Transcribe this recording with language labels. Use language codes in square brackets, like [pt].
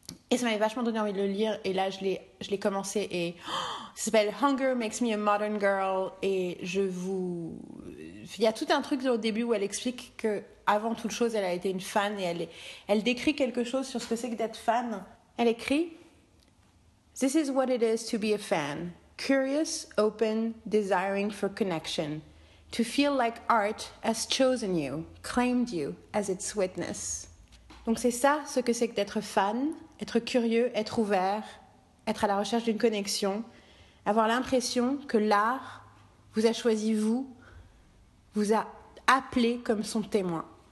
[fr] Et ça m'avait vachement donné envie de le lire. Et là, je l'ai commencé. Et ça s'appelle Hunger Makes Me a Modern Girl. Et je vous... Il y a tout un truc au début où elle explique qu'avant toute chose, elle a été une fan. Et elle décrit quelque chose sur ce que c'est que d'être fan. Elle écrit « [en] This is what it is to be a fan. Curious, open, desiring for connection. To feel like art has chosen you, claimed you as its witness. [fr] » Donc c'est ça ce que c'est que d'être fan, être curieux, être ouvert, être à la recherche d'une connexion, avoir l'impression que l'art vous a choisi vous, vous a appelé comme son témoin.